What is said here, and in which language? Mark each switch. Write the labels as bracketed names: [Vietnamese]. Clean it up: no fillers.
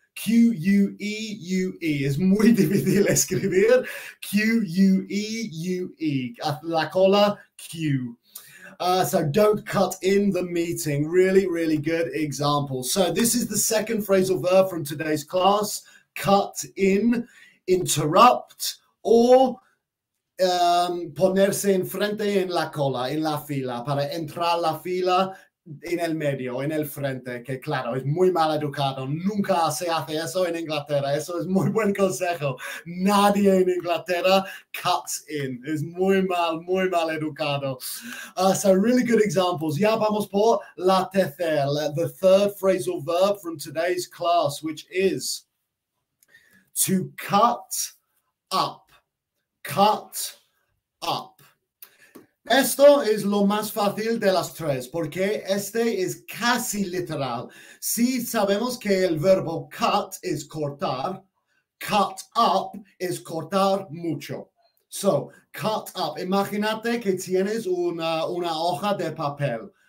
[Spanish] Q-U-E-U-E. Es muy difícil escribir. Q-U-E-U-E. La cola, Q. [English] So don't cut in the meeting. Really, really good example. So this is the second phrasal verb from today's class. [Spanish] Cut in, interrupt, or ponerse en frente en la cola, en la fila, para entrar la fila en el medio, en el frente, que claro, es muy mal educado. Nunca se hace eso en Inglaterra. Eso es muy buen consejo. Nadie en Inglaterra cuts in. Es muy mal educado. [English] So really good examples. [Spanish] Ya vamos por la tercera, [English] the third phrasal verb from today's class, which is to cut up. Cut up. [Spanish] Esto es lo más fácil de las tres, porque este es casi literal. Si sabemos que el verbo cut es cortar, cut up es cortar mucho. So, cut up. Imagínate que tienes una hoja de papel.